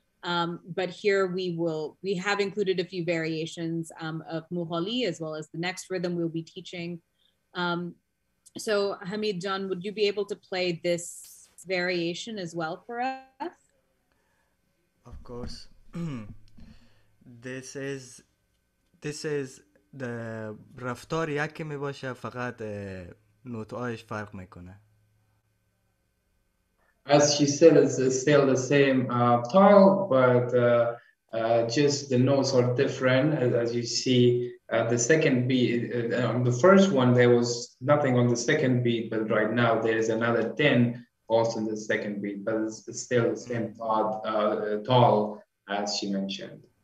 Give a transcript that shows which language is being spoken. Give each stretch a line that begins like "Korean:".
English: But here we have included a few variations of Moholi as well as the next rhythm we'll be teaching. So Hamid John, would you be able to play this variation as well for us? Of course. This is
Persian: ده رفتار یکی می باشه فقط نوت‌هاش فرق میکنه.
English: As she said, it's still the same tal, but just the notes are different. As you see, the second beat, on the first one, there was nothing on the second beat, but right now there is another 10 also in the second beat, but it's still the same tal as she mentioned.